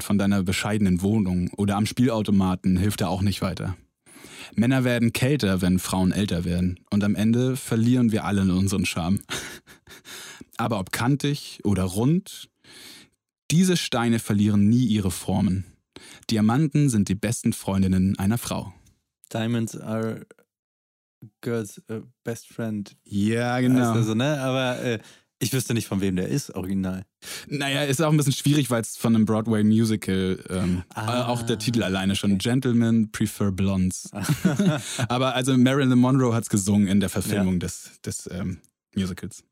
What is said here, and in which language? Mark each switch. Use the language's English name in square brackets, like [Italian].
[German] Von deiner bescheidenen Wohnung oder am Spielautomaten hilft er auch nicht weiter. Männer werden kälter, wenn Frauen älter werden. Und am Ende verlieren wir alle unseren Charme. Aber ob kantig oder rund, diese Steine verlieren nie ihre Formen. Diamanten sind die besten Freundinnen einer Frau. [English] Diamonds are girls' best friend. [German] Ja, genau. Also, ne? Aber ich wüsste nicht, von wem der ist, original. Naja, ist auch ein bisschen schwierig, weil es von einem Broadway-Musical, auch der Titel alleine schon, okay. Gentlemen Prefer Blondes. Aber also Marilyn Monroe hat es gesungen in der Verfilmung des Musicals.